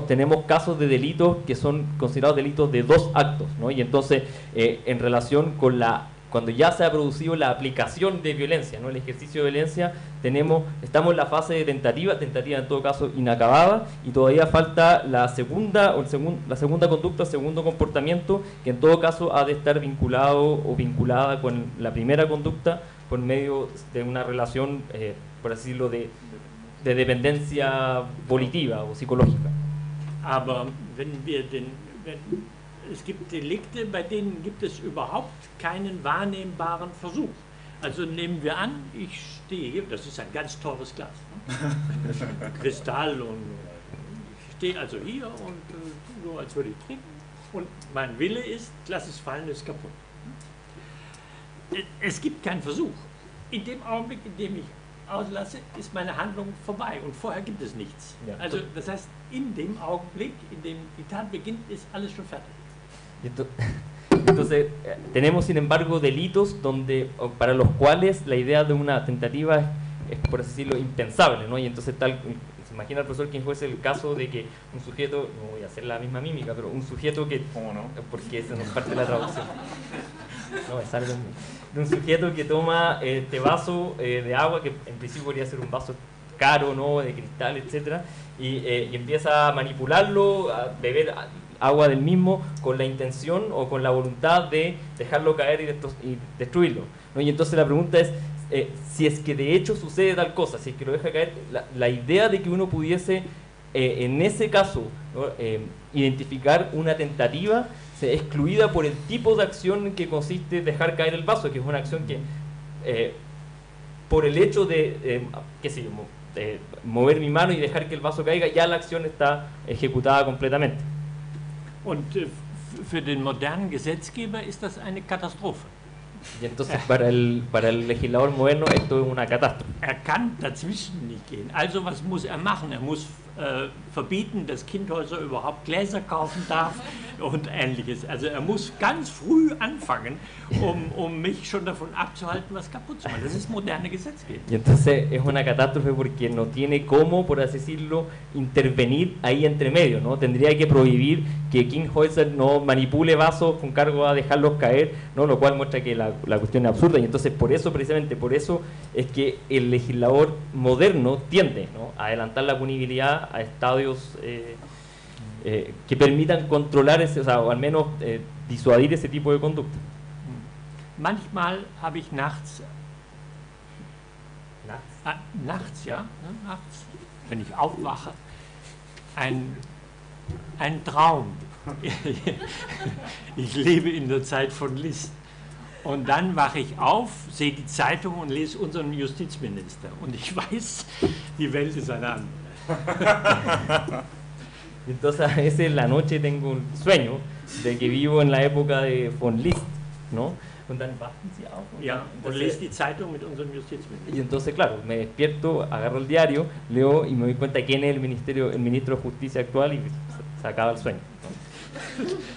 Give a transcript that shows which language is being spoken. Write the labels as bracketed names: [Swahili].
[Spanish] Tenemos casos de delitos que son considerados delitos de dos actos, ¿no?, y entonces en relación con la, cuando ya se ha producido la aplicación de violencia, ¿no?, el ejercicio de violencia, estamos en la fase de tentativa en todo caso inacabada, y todavía falta la segunda conducta, segundo comportamiento, que en todo caso ha de estar vinculado o vinculada con la primera conducta por medio de una relación, por así decirlo, de dependencia volitiva o psicológica. [German] Aber wenn wir den, wenn, es gibt Delikte, bei denen gibt es überhaupt keinen wahrnehmbaren Versuch. Also nehmen wir an, ich stehe hier, das ist ein ganz teures Glas, ne? Kristall, und ich stehe also hier und so, als würde ich trinken, und mein Wille ist, lass es fallen, ist kaputt. Es gibt keinen Versuch. In dem Augenblick, in dem ich auslasse, ist meine Handlung vorbei, und vorher gibt es nichts. Ja. Also das heißt, in dem Augenblick, in dem die Tat beginnt, ist alles schon fertig. [Spanish] Entonces, tenemos sin embargo delitos donde, para los cuales la idea de una tentativa es, por así decirlo, impensable, ¿no? Y entonces tal, se imagina el profesor quien fuese el caso de que un sujeto, no voy a hacer la misma mímica, pero un sujeto que... ¿Cómo no? Porque esa no es parte de la traducción. No, es algo... De un sujeto que toma este vaso de agua, que en principio podría ser un vaso caro, ¿no? De cristal, etcétera, y empieza a manipularlo, a beber... agua del mismo con la intención o con la voluntad de dejarlo caer y destruirlo, ¿no? Y entonces la pregunta es, si es que de hecho sucede tal cosa, si es que lo deja caer, la idea de que uno pudiese en ese caso, ¿no? Identificar una tentativa se excluida por el tipo de acción que consiste en dejar caer el vaso, que es una acción que por el hecho de qué sé yo, de mover mi mano y dejar que el vaso caiga, ya la acción está ejecutada completamente. [German] Und für den modernen Gesetzgeber ist das eine Katastrophe. [Spanish] Y entonces para el legislador moderno esto es una catástrofe. [German] Er kann dazwischen nicht gehen. Also was muss er machen? Er muss verbieten, dass Kindhäuser überhaupt Gläser kaufen darf und ähnliches. Also er muss ganz früh anfangen, um mich schon davon abzuhalten, was kaputt zu machen. Das ist moderne Gesetzgebung. [Spanish] Y entonces es una catástrofe porque no tiene cómo, por así decirlo, intervenir ahí entre medio, ¿no? Tendría que prohibir que Kinghäuser no manipule vasos con cargo a dejarlos caer, ¿no? Lo cual muestra que la cuestión es absurda. Y entonces por eso, precisamente por eso, es que el legislador moderno tiende, ¿no?, a adelantar la punibilidad a estadios que permitan controlar ese, o sea, o al menos disuadir ese tipo de conducta. [German] Manchmal habe ich nachts. Nachts, ja. Nachts, wenn ich aufwache, ein Traum. Ich lebe in der Zeit von Liszt. Und dann wache ich auf, sehe die Zeitung und lese unseren Justizminister. Und ich weiß, die Welt ist eine andere. [Spanish] Entonces a veces en la noche tengo un sueño de que vivo en la época de von Liszt, ¿no? Y entonces, claro, me despierto, agarro el diario, leo y me doy cuenta de quién es el ministro de justicia actual, y se acaba el sueño, ¿no?